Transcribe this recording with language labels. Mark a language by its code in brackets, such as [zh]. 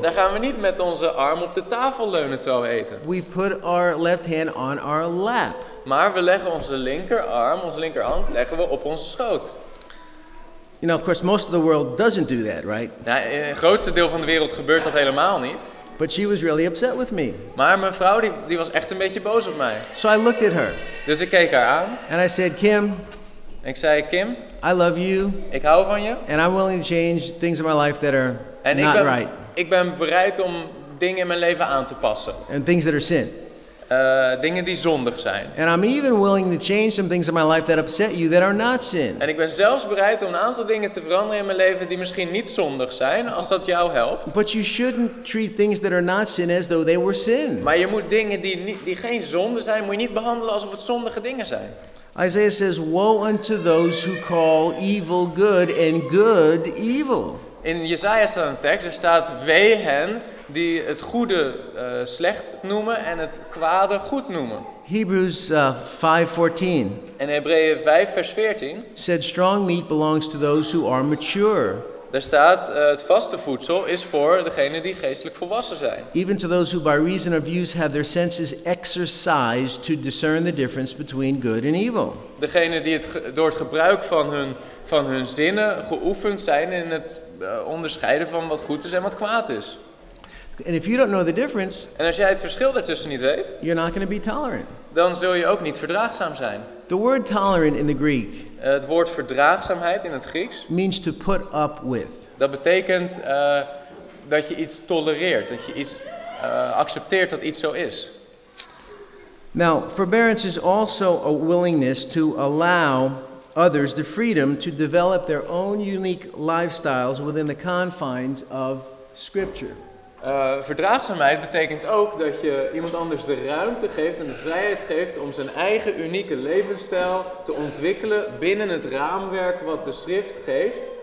[nl] Daar gaan we niet met onze arm op de tafel leunen terwijl we eten. [en] We put our left hand on our lap. [nl] Maar we leggen onze linkerarm, onze linkerhand, leggen we op onze schoot. [en] You know, of course, most of the world doesn't do that, right? [nl] Ja, in het grootste deel van de wereld gebeurt dat helemaal niet. [en] But she was really upset with me. [nl] Maar mijn vrouw die was echt een beetje boos op mij. [en] So I looked at her. [nl] Dus ik keek haar aan. [en] And I said, Kim. [nl] En ik zei, Kim. [en] I love you. [nl] Ik hou van je. [en] And I'm willing to change things in my life that are not right. [nl] Ik ben bereid om dingen in mijn leven aan te passen. [en] And things that are sin. [nl] dingen die zondig zijn. [en] And I'm even willing to change some things in my life that upset you that are not sin. [nl] En ik ben zelfs bereid om een aantal dingen te veranderen in mijn leven die misschien niet zondig zijn, als dat jou helpt. [en] But you shouldn't treat things that are not sin as though they were sin. [nl] Maar je moet dingen die geen zonde zijn, moet je niet behandelen alsof het zondige dingen zijn. [en] Isaiah says, woe unto those who call evil good and good evil. [nl] In Jesaja staat een tekst, er staat, wee hen die het goede slecht noemen en het kwade goed noemen. [en] Hebrews 5:14. [nl] En Hebreeën 5 vers 14. [en] Said strong meat belongs to those who are mature. [nl] Daar staat, het vaste voedsel is voor degene die geestelijk volwassen zijn. [en] Even to those who by reason of use have their senses exercised to discern the difference between good and evil. [nl] Degene die door het gebruik van hun zinnen geoefend zijn in het onderscheiden van wat goed is en wat kwaad is. [en] And if you don't know the difference, [nl] en als jij het verschil daartussen niet weet, [en] you're not going to be tolerant. [nl] Dan zul je ook niet verdraagzaam zijn. [en] The word tolerant in the Greek, [nl] het woord verdraagzaamheid in het Grieks, [en] means to put up with. [nl] Dat betekent dat je iets tolereert, dat je iets accepteert dat iets zo is. [en] Now, forbearance is also a willingness to allow others the freedom to develop their own unique lifestyles within the confines of Scripture. [nl] Verdraagzaamheid betekent ook dat je iemand anders de ruimte geeft en de vrijheid geeft om zijn eigen unieke levensstijl te ontwikkelen binnen het raamwerk wat de schrift geeft.